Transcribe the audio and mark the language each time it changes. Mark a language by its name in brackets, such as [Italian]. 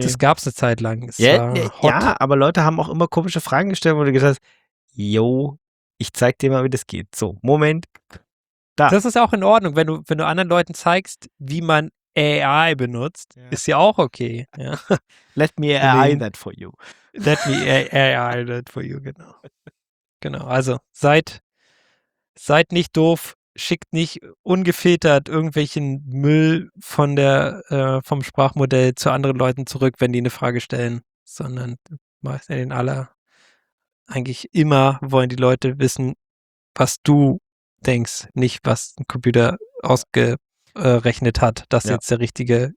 [German] Das gab es eine Zeit lang. Ja, aber Leute haben auch immer komische Fragen gestellt, wo du gesagt hast, yo, ich zeig dir mal, wie das geht. So, Moment. Da. Das ist auch in Ordnung, wenn du anderen Leuten zeigst, wie man AI benutzt, ist ja auch okay. Ja. [English] Let me AI that for you. Let me AI that for you, genau. [German] Genau, also seid nicht doof, schickt nicht ungefiltert irgendwelchen Müll von der vom Sprachmodell zu anderen Leuten zurück, wenn die eine Frage stellen, sondern meist in aller. Eigentlich immer wollen die Leute wissen, was du denkst, nicht was ein Computer ausgerechnet hat, dass jetzt der richtige